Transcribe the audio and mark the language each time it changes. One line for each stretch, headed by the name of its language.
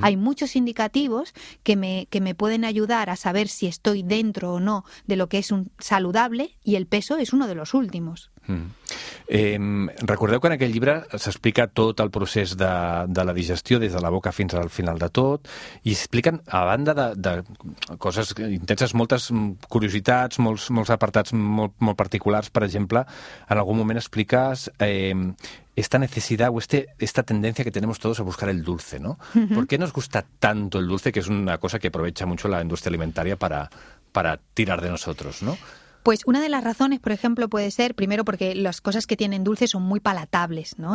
Spanish: Hay muchos indicativos que me pueden ayudar a saber si estoy dentro o no de lo que es un saludable, y el peso es uno de los últimos. Uh-huh.
Catalan: Recordeu que en aquest llibre s'explica tot el procés de la digestió, des de la boca fins al final de tot, i expliquen, a banda de coses intenses, moltes curiositats, molts apartats molt particulars. Per exemple, en algun moment expliques
Spanish: esta necesidad o esta tendencia que tenemos todos a buscar el dulce, ¿no? Uh-huh. ¿Por qué nos gusta tanto el dulce, que es una cosa que aprovecha mucho la industria alimentaria para tirar de nosotros, ¿no? Pues una de las razones, por ejemplo, puede ser, primero, porque las cosas que tienen dulce son muy palatables, ¿no?